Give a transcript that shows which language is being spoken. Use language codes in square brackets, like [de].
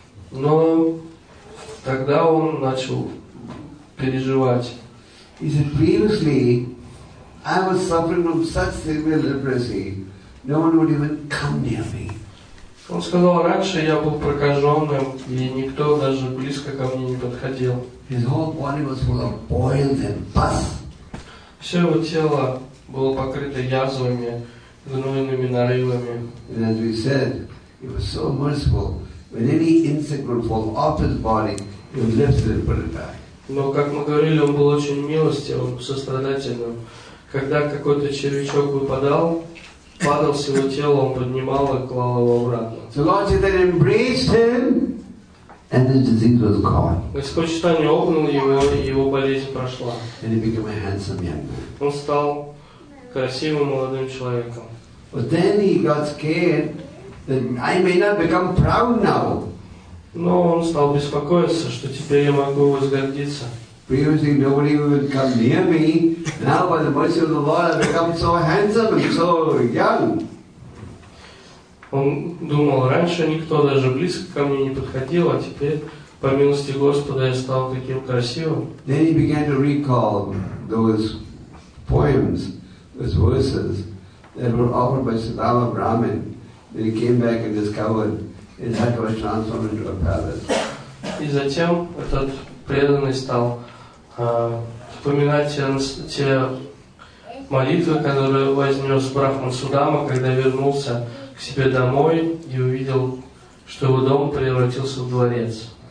[ru] Но тогда он начал переживать. [en] He said, previously I was suffering from such severe leprosy, no one would even come near me. [ru] Он сказал, раньше я был прокаженным, и никто даже близко ко мне не подходил. [en] His whole body was full of boils and pus. [ru] Все его тело было покрыто язвами, гнойными нарывами. [en] And as we said, he was so merciful. When any insect would fall off his body, he would lift it and put it back. [ru] Но, как мы говорили, он был очень милостивым, сострадательным. Когда какой-то червячок выпадал, падал с его тела, он поднимал и клал его обратно. [en] So Lord Chaitanya embraced him, and his disease was gone. [ru] Господь Чайтанья обнял его, и его болезнь прошла. [en] And he became a handsome young man. [ru] Он стал красивым молодым человеком. [en] But then he got scared that I may not become proud now. [ru] Но он стал беспокоиться, что теперь я могу возгордиться. [en] Previously nobody would come near me. Now by the mercy of the Lord I've become so handsome and so young. [ru] Он думал, раньше никто даже близко ко мне не подходил, а теперь, по милости Господа, я стал таким красивым. [en] Then he began to recall those poems, those verses that were offered by Sadhava Brahmin. Then he came back and discovered his heart was transformed into a palace. [ru] И затем этот преданный стал вспоминать те молитвы, которые вознес Брахман Судама, когда вернулся к себе домой и увидел, что его дом превратился в дворец.